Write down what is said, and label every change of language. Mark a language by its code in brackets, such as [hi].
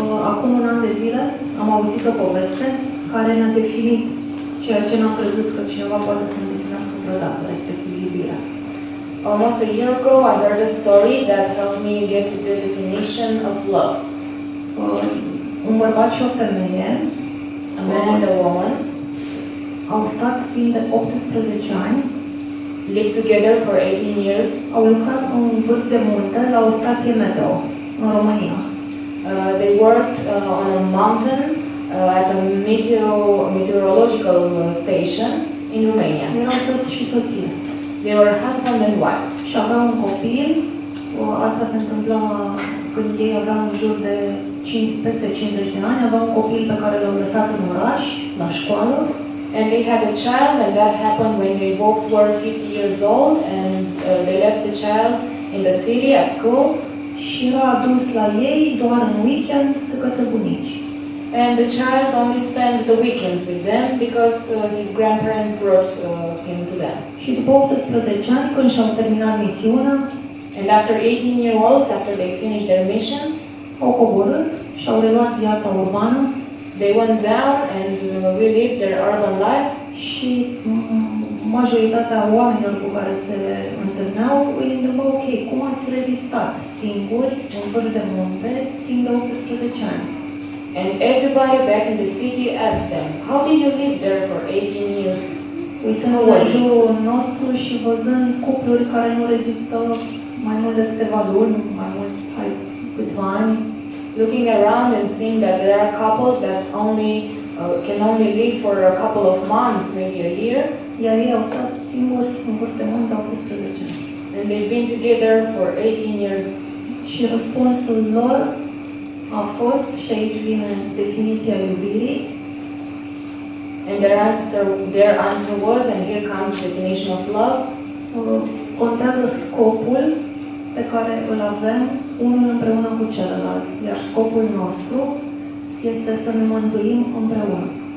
[ro] Acum un an de zile am auzit o poveste care ne-a definit ceea ce n-am crezut că cineva poate să îndeplinească vreodată, respectiv iubirea. [en] Almost a year ago I heard a story that helped me get to the definition of love. [ro] Un bărbat și o femeie, [en] a man and a woman, [ro] au stat timp de 18 ani [en] lived together for 18 years. [ro] Au lucrat în vârf de muntă la o stație meteo în România. [en] They worked on a mountain at a meteorological station in Romania. [ro] Erau soț și soție. [en] They were husband and wife. [ro] Și aveau un copil. Asta se întâmpla când ei aveau în jur de peste 50 de ani. Aveau un copil pe care l-au lăsat în oraș, la școală. [en] And they had a child, and that happened when they both were 50 years old, and they left the child in the city at school. [ro] Și l-a adus la ei doar în weekend de către bunici. [en] And the child only spent the weekends with them because his grandparents brought him to them. [ro] Și după 18 ani, când și-au terminat misiunea, [en] and after 18 years old, after they finished their mission, [ro] au coborât și au reluat viața urbană. [en] They went down and relived their urban life. [ro] Și majoritatea oamenilor cu care se întâlneau îi întreba, ok, cum ați rezistat singuri în vârf de munte timp de 18 ani? [en] And everybody back in the city asked them, how did you live there for 18 years? [ro] Uitând la jurul nostru și văzând cupluri care nu rezistă mai mult de câteva luni, mai mult, hai, câțiva ani. [en] Looking around and seeing that there are couples that only can only live for a couple of months, maybe a year. [ro] Iar ei au stat singuri în vârf de munte 18 ani. [en] And they've been together for 18 years. [ro] Și răspunsul lor a fost, și aici vine definiția iubirii. [en] And their answer was, and here comes the definition of love. [ro] Contează scopul pe care îl avem unul împreună cu celălalt, iar scopul nostru este să ne mântuim împreună.